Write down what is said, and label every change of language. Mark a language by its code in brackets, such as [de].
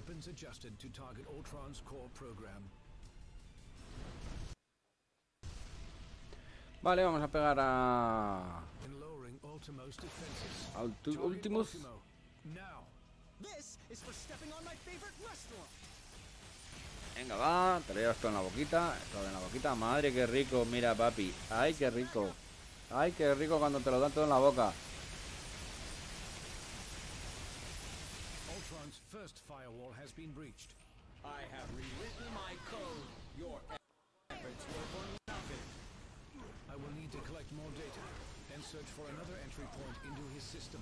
[en] Adjusted to target Ultron's core program. [es] Vale, vamos a pegar a Ultimus. Ultimus. [en] Now. This is for stepping on my favorite restaurant. [es] Venga, va, te lo llevas todo en la boquita, todo en la boquita. Madre, qué rico, mira, papi. Ay, qué rico. Ay, qué rico cuando te lo dan todo en la boca. [en] First firewall has been breached. I have rewritten my code. Your efforts were for nothing. I will need to collect more data and search for another entry point into his system.